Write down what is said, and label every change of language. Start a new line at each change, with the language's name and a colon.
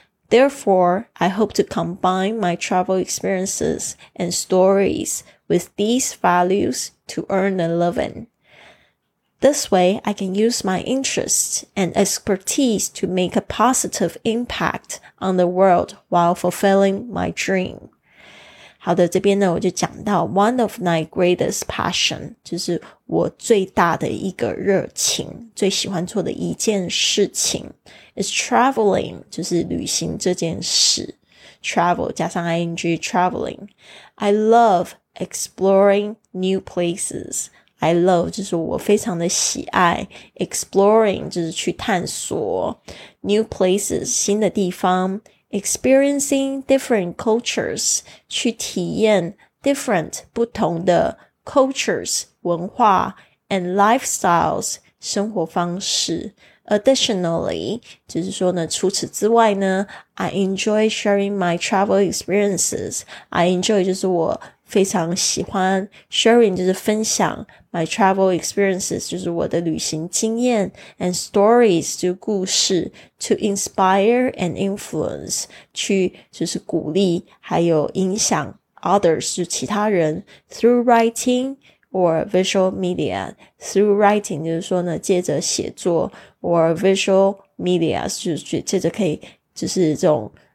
English: Therefore, I hope to combine my travel experiences and stories with these values to earn a living. This way, I can use my interests and expertise to make a positive impact on the world while fulfilling my dream.
Chinese: 好的，这边呢，我就讲到
English: one of my greatest passion,
Chinese: 就是我最大的一个热情，最喜欢做的一件事情
English: is traveling,
Chinese: 就是旅行这件事。
English: travel
Chinese: 加上
English: ing, traveling. I love exploring new places. I love,
Chinese: 就是我非常的喜爱
English: exploring,
Chinese: 就是去探索
English: new places,
Chinese: 新的地方。
English: Experiencing different cultures,
Chinese: 去体验
English: different
Chinese: 不同的
English: cultures,
Chinese: 文化
English: and lifestyles,
Chinese: 生活方式。
English: Additionally,
Chinese: 就是说呢，除此之外呢，
English: I enjoy sharing my travel experiences. I enjoy
Chinese: 就是我非常喜欢
English: sharing
Chinese: 就是分享
English: my travel experiences
Chinese: 就是我的旅行经验
English: and stories
Chinese: 就是故事
English: to inspire and influence
Chinese: 去就是鼓励还有影响
English: others
Chinese: 就其他人
English: through writing or visual media through writing
Chinese: 就是说呢借着写作
English: or visual media
Chinese: 就是借着可以就是这种